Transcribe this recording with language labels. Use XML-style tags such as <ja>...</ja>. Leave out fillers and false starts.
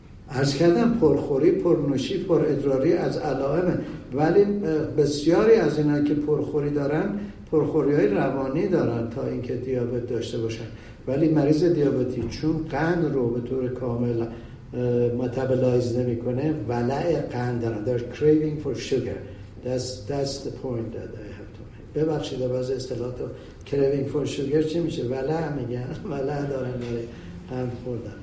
<fa>عرض کردم پرخوری، پرنوشی، پر ادراری از علائمه، ولی بسیاری از اینا که پرخوری دارن پرخوری های روانی دارن تا اینکه دیابت داشته باشن. ولی مریض دیابتی چون قند رو به طور کامل متابلایز نمی کنه ولع قند دارن،</fa> <en>they're craving for sugar. That's the point that I have to make.</en> <fa>ببخشید باز اصطلاحاتو،</fa> <en>craving for sugar</en> <fa>چی میشه؟ ولع میگن، ولع دارن برای قند خوردن.</fa>